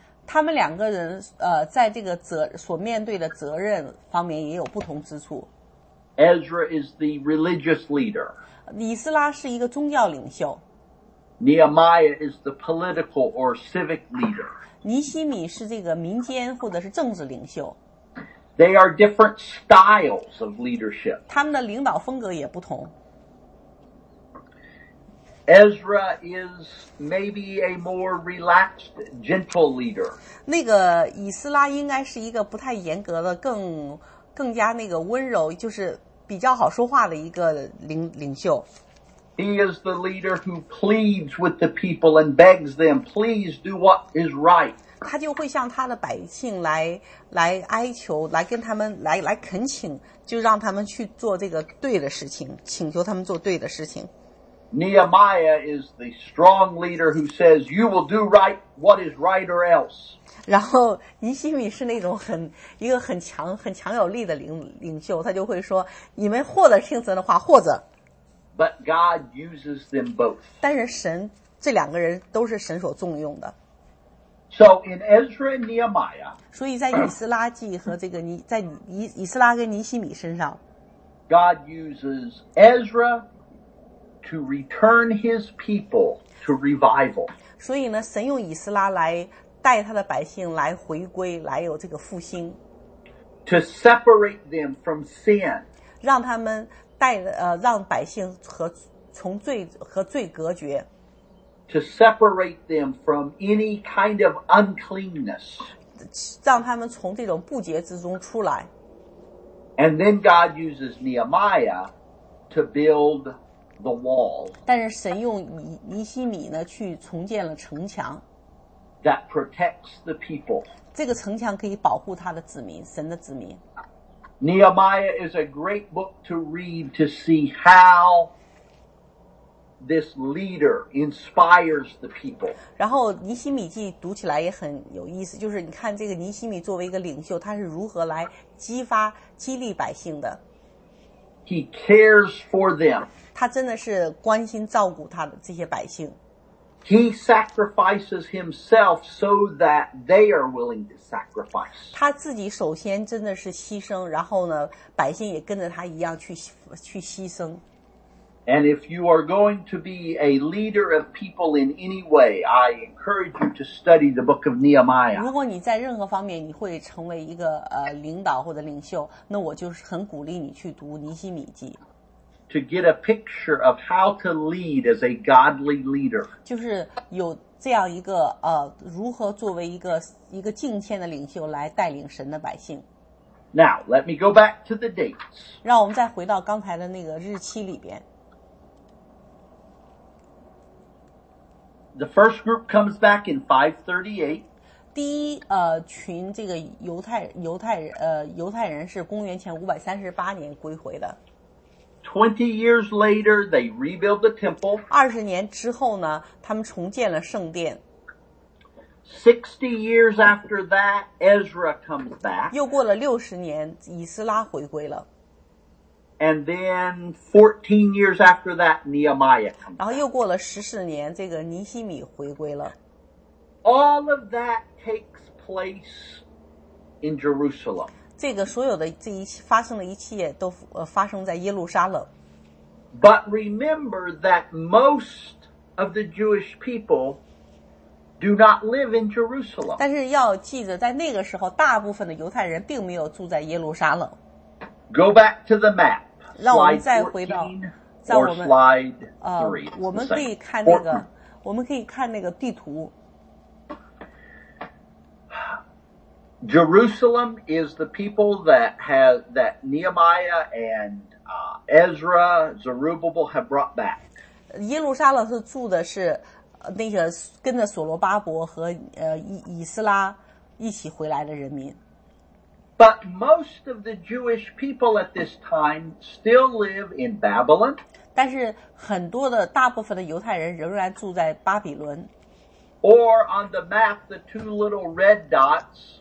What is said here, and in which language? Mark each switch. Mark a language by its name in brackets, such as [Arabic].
[Chinese] 他们两个人在这个所面对的责任方面也有不同之处。 [English] Ezra is the religious leader. [Chinese] 以斯拉是一个宗教领袖。 [English] Nehemiah is the political or civic leader. [Chinese] 尼希米是这个民间或者是政治领袖。 [English] They are different styles of leadership. [Chinese] 他们的领导风格也不同。 [English] Ezra is maybe a more relaxed, gentle leader. [Chinese] 那个以斯拉应该是一个不太严格的，更加那个温柔，就是比较好说话的一个领袖。 [English] He is the leader who pleads with the people and begs them, please do what is right. [Chinese] 他就会向他的百姓来哀求，来跟他们来恳请，就让他们去做这个对的事情，请求他们做对的事情。 [English] Nehemiah is the strong leader who says, you will do right what is right or else. [Chinese] 然后尼希米是那种很强有力的领袖，他就会说，你们或者听从的话，或者。 [English] But God uses them both. [Chinese] 但是神，这两个人都是神所重用的。 [English] So in Ezra and Nehemiah, [Chinese] 所以在以斯拉记和这个在以斯拉跟尼希米身上， [English] God uses Ezra to return His people to revival. [Chinese] 所以呢，神用以斯拉来带他的百姓来回归，来有这个复兴。 [English] To separate them from sin. [Chinese] 让他们。让百姓从罪隔绝 [English] to separate them from any kind of uncleanness [Chinese] 让他们从这种不洁之中出来 [English] and then God uses Nehemiah to build the wall [Chinese] 但是神用尼希米呢去重建了城墙 [English] that protects the people [Chinese] 这个城墙可以保护他的子民神的子民 [English] Nehemiah is a great book to read to see how this leader inspires the people. [Chinese] 然后尼希米记读起来也很有意思，就是你看这个尼希米作为一个领袖，他是如何来激励百姓的。 [English] He cares for them. [Chinese] 他真的是关心照顾他的这些百姓。 [English] He sacrifices himself so that they are willing to sacrifice. [Chinese] 他自己首先真的是牺牲，然后呢，百姓也跟着他一样去牺牲。 [English] And if you are going to be a leader of people in any way, I encourage you to study the book of Nehemiah. [Chinese] 如果你在任何方面你会成为一个领导或者领袖，那我就是很鼓励你去读尼希米记。 [English] to get a picture of how to lead as a godly leader. [Chinese] 就是有这样一个如何作为一个敬虔的领袖来带领神的百姓。 [English] Now, let me go back to the dates. [Chinese] 让我们再回到刚才的那个日期里边。 [English] The first group comes back in 538. [Chinese] 第一群这个犹太人是公元前538年归回的。 [English] 20 years later, they rebuild the temple. [Chinese] 20年之后呢，他们重建了圣殿。 [English] 60 years after that, Ezra comes back. [Chinese] 又过了60年，以斯拉回归了。 [English] And then 14 years after that, Nehemiah comes back. [Chinese] 然后又过了14年，这个尼希米回归了。 [English] All of that takes place in Jerusalem. [Chinese] 这个所有的这一切发生的一切都发生在耶路撒冷。 [English] But remember that most of the Jewish people do not live in Jerusalem. [Chinese] 但是要记得在那个时候大部分的犹太人并没有住在耶路撒冷。 [English] Go back to the map. [Chinese] 让我们再回到在我们 [English] slide 3, [Chinese] 我们可以看那个 [English] Fortnum. [Chinese] 我们可以看那个地图。 [English] Jerusalem is the people that Nehemiah and Ezra, Zerubbabel have brought back. [Chinese] 耶路撒冷是住的是那个跟着所罗巴伯和以斯拉一起回来的人民。 [English] But most of the Jewish people at this time still live in Babylon. [Chinese] 但是很多的大部分的犹太人仍然住在巴比伦。 [English] Or on the map, the two little red dots.